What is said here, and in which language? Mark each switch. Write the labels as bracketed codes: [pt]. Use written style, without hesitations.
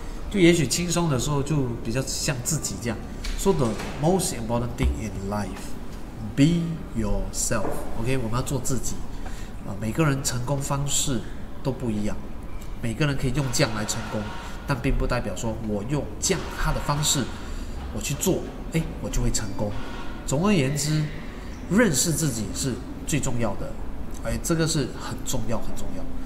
[zh] 就也许轻松的时候就比较像自己这样。 [en] So the most important thing in life, be yourself. [zh] OK, 我们要做自己。每个人成功方式都不一样，每个人可以用酱来成功。但并不代表说我用降他的方式我去做，哎，我就会成功。总而言之，认识自己是最重要的，哎，这个是很重要很重要。